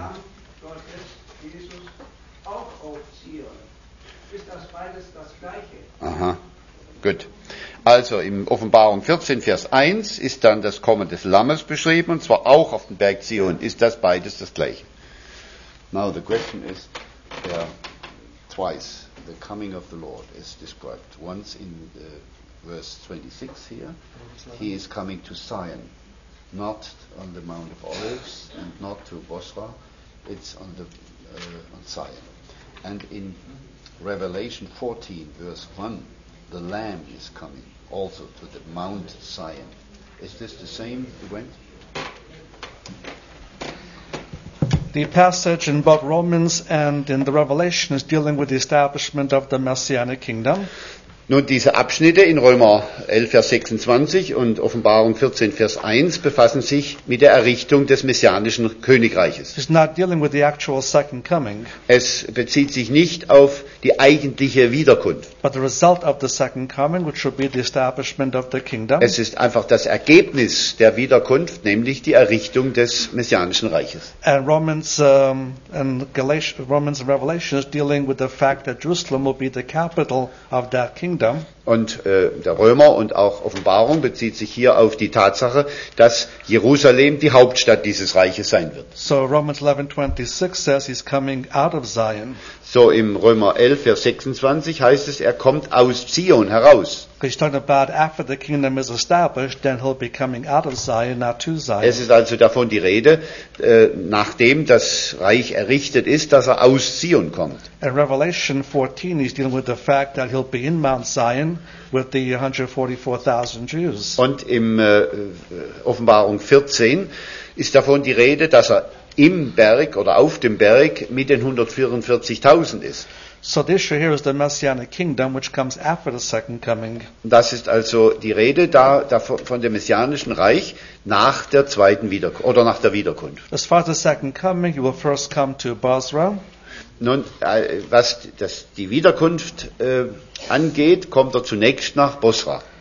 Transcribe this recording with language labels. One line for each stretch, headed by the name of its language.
German: Das Land Gottes, Jesus, auch auf Zion. Ist das beides das Gleiche? Aha. Gut. Also im Offenbarung 14, Vers 1 ist dann das Kommen des Lammes beschrieben, und zwar auch auf dem Berg Zion. Ist das beides das Gleiche?
English: Now the question is, twice the coming of the Lord is described. Once in the verse 26 here, he is coming to Zion, not on the Mount of Olives and not to Bosra, it's on the on Zion. And in Revelation 14, verse 1, the Lamb is coming also to the Mount Zion. Is this the same event? The passage in both Romans and in the Revelation is dealing with the establishment of the Messianic Kingdom.
German: Nun, diese Abschnitte in Römer 11, Vers 26 und Offenbarung 14, Vers 1 befassen sich mit der Errichtung des messianischen Königreiches.
English: It's not dealing with the actual second coming.
German: Es bezieht sich nicht auf die eigentliche Wiederkunft.
English: But the result of the second coming, which will be the establishment of the kingdom.
German: Es ist einfach das Ergebnis der Wiederkunft, nämlich die Errichtung des messianischen Reiches.
English: And Romans, and Galatians, Romans and Revelation is dealing with the fact that Jerusalem will be the capital of that kingdom.
German: Und der Römer und auch Offenbarung bezieht sich hier auf die Tatsache, dass Jerusalem die Hauptstadt dieses Reiches sein wird.
English: So Romans 11:26 says he's coming out of Zion.
German: So im Römer 11, Vers 26 heißt es, er kommt aus Zion heraus.
English: He's talking about after the kingdom is established, then he'll be coming out of Zion, not to Zion.
German: Es ist also davon die Rede, nachdem das Reich errichtet ist, dass er aus Zion kommt.
English: In Revelation 14, he's dealing with the fact that he'll be in Mount Zion with the 144,000 Jews.
German: Und im Offenbarung 14 ist davon die Rede, dass er im Berg oder auf dem Berg mit den 144,000 ist.
English: So this issue here is the Messianic Kingdom, which comes after the second coming.
German: Das ist also die Rede da von dem messianischen Reich nach der zweiten Wiederkunft oder nach der Wiederkunft.
English: As far as the second coming, you will first come to Basra.
German: Nun, was das die Wiederkunft angeht, kommt er zunächst nach Basra.